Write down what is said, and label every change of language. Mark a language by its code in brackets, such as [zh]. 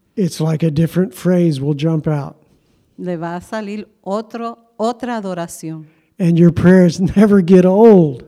[en] It's like a different phrase will jump out. [es] Le va a salir otra adoración. [en] And your prayers never get old.